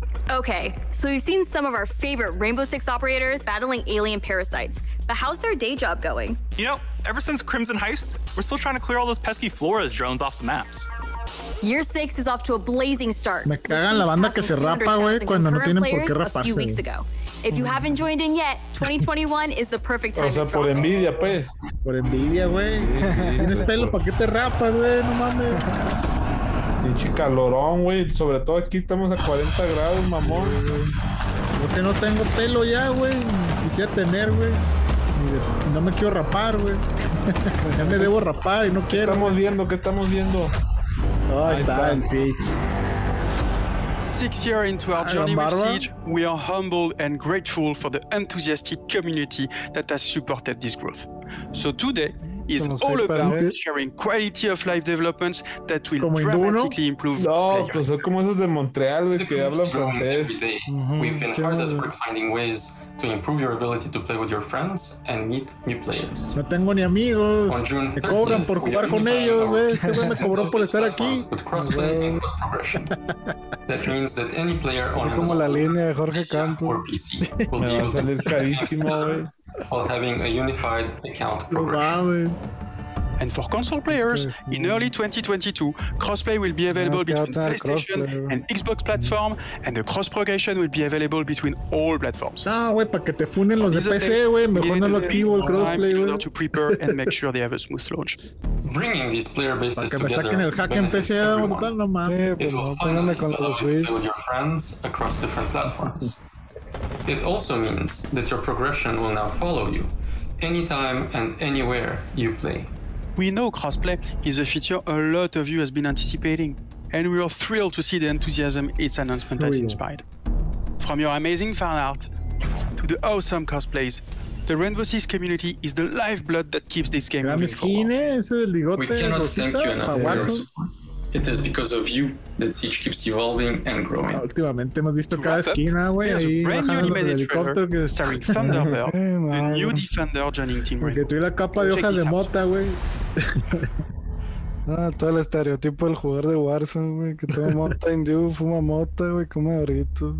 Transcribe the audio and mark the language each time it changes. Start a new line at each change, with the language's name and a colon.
English: Okay, so we've seen some of our favorite Rainbow Six operators battling alien parasites, but how's their day job going? You know, ever since Crimson Heist, we're still trying to clear all those pesky Flores drones off the maps. Year 6 is off to a blazing start.
Spanish: Me cagan la banda que se rapa, güey, cuando no tienen por qué raparse.
English: A few weeks ago. If you haven't joined in yet, 2021 is the perfect time.
Spanish: O sea, por envidia, pues. Por envidia, güey. Sí, tienes pues, pelo, ¿para qué te rapas, güey? No mames. Pinche calorón, güey. Sobre todo aquí estamos a 40 grados, mamón. Yo que no tengo pelo ya, güey. Quisiera tener, güey. No me quiero rapar, güey. Ya me debo rapar y no quiero. ¿Qué estamos viendo? Oh, está en sí.
English: 6 years into our journey with Siege, we are humbled and grateful for the enthusiastic community that has supported this growth. So today is all about sharing quality of life developments that will dramatically improve.
Spanish: No, pues son como esos de Montreal, güey, que hablan francés.
English: We've been hard at work finding ways to improve your ability to play with your friends and meet new players.
Spanish: No tengo ni amigos.
English: On June 30th,
Spanish: me cobran por jugar con ellos, güey. Este güey me cobró por estar aquí.
English: That means that any player on
Spanish: como la línea de Jorge Campos.
English: Or PC will be able to
Spanish: salir carísimo, güey.
English: While having a unified account progression. And for console players, in early 2022, crossplay will be available between PlayStation and Xbox platform, and the cross progression will be available between all platforms.
Spanish: Ah, güey, para que te funen los de PC, güey, mejor no lo activo el crossplay, güey.
English: To prepare and make sure they have a smooth launch. Bringing these player bases together.
Spanish: Para que me saquen el hack en PC, brutal, no mames. Sí, pero pónganme con la Switch.
English: With your friends across different platforms. It also means that your progression will now follow you, anytime and anywhere you play. We know crossplay is a feature a lot of you has been anticipating, and we are thrilled to see the enthusiasm its announcement has inspired. From your amazing fan art to the awesome cosplays, the Rainbow Six community is the lifeblood that keeps this game moving forward. We cannot thank you enough. It is because of you that Siege keeps evolving and growing.
Spanish: Últimamente hemos visto cada esquina, güey, ahí bajando el helicóptero que es
English: starring Thunderbird, the new defender joining Team Rainbow.
Spanish: Porque tuve la capa de hojas de mota, güey. Ah, todo el estereotipo del jugador de Warzone, güey, que toma mota en Dew, fuma mota, güey, come Doritos.